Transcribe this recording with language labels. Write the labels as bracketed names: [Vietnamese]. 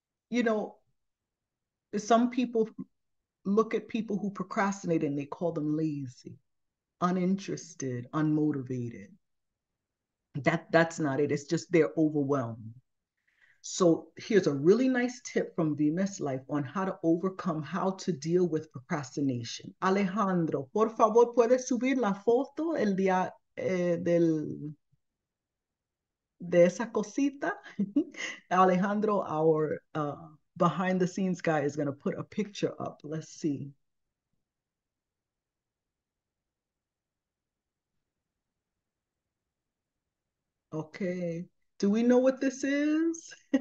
[English] You know, some people look at people who procrastinate and they call them lazy, uninterested, unmotivated. That's not it. It's just they're overwhelmed. So here's a really nice tip from Vimes Life on how to overcome, how to deal with procrastination. [Spanish] Alejandro, por favor, puedes subir la foto el día de esa cosita. [English] Alejandro, our behind the scenes guy is going to put a picture up. Let's see. Okay, do we know what this is?